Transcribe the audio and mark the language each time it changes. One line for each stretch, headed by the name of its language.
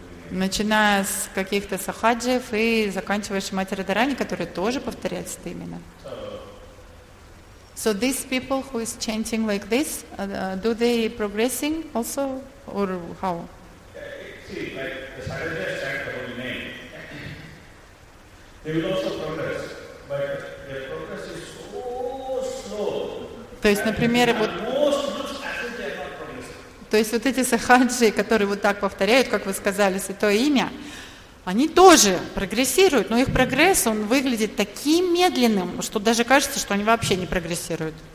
Russian: Начиная с каких-то сахаджиев и заканчивая Шримати Радарани, которые тоже повторяют Святое Имя.
English: So these people who is chanting like this, do they progressing also or how? See, like the Sadducees sacked the Holy Name. They will also progress, but their progress is so slow.
Russian: То есть, например, вот. То есть вот эти сахаджи, которые вот так повторяют, как вы сказали, святое имя, они тоже прогрессируют, но их прогресс, он выглядит таким медленным, что даже кажется, что они вообще не прогрессируют.